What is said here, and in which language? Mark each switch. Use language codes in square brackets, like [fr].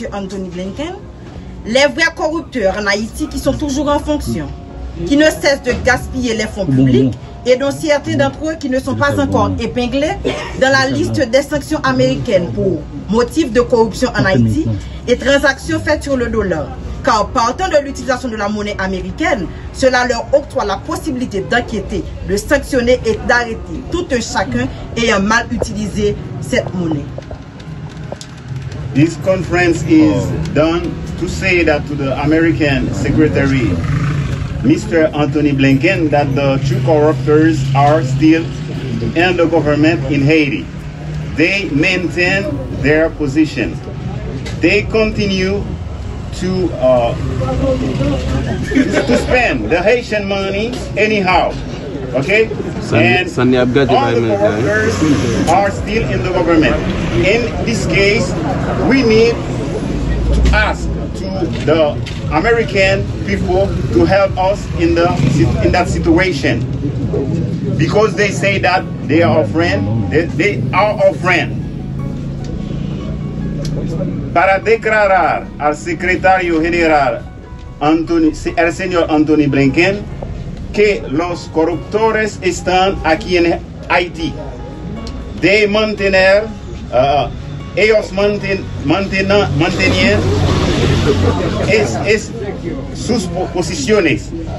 [fr] Anthony Blinken, les vrais corrupteurs en Haïti qui sont toujours en fonction, qui ne cessent de gaspiller les fonds publics et dont certains d'entre eux qui ne sont pas encore épinglés dans la liste des sanctions américaines pour motifs de corruption en Haïti et transactions faites sur le dollar. Car partant de l'utilisation de la monnaie américaine, cela leur octroie la possibilité d'enquêter, de sanctionner et d'arrêter tout un chacun ayant mal utilisé cette monnaie. [en] This conference is done to say that to the American Secretary, Mr. Anthony Blinken, that the two corruptors are still in the government in Haiti. They maintain their position. They continue to spend the Haitian money anyhow, okay? And all the corruptors are still in the government. In this case, we need to ask to the American people to help us in that situation, because they say that they are our friend. They are our friend. [es] Para declarar al secretario general el señor Anthony Blinken que los corruptores están aquí en Haití. De mantener ellos mantenían es sus posiciones.